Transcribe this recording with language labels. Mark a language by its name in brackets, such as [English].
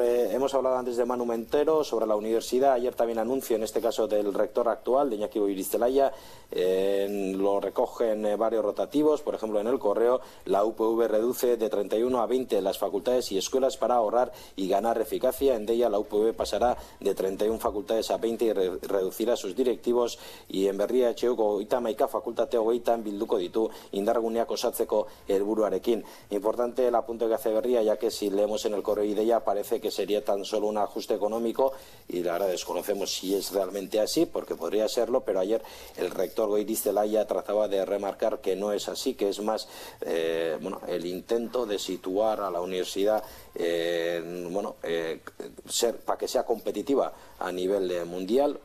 [Spanish] Hemos hablado antes de Manu Mentero, sobre la universidad. Ayer también anuncio, en este caso, del rector actual, de Iñaki Goirizelaia. Lo recogen varios rotativos, por ejemplo, en El Correo. La UPV reduce de 31 a 20 las facultades y escuelas para ahorrar y ganar eficacia. En Deia, la UPV pasará de 31 facultades a 20 y reducirá sus directivos. [Basque] Y en Berria, Etxeuko 31 facultate hogeitan bilduko ditu indarguneak osatzeko helburuarekin. [Spanish] Importante el apunte que hace Berria, ya que si leemos en El Correo y Deia, parece que sería tan solo un ajuste económico, y la verdad desconocemos si es realmente así, porque podría serlo, pero ayer el rector Goirizelaia trataba de remarcar que no es así, que es más el intento de situar a la universidad para que sea competitiva a nivel mundial.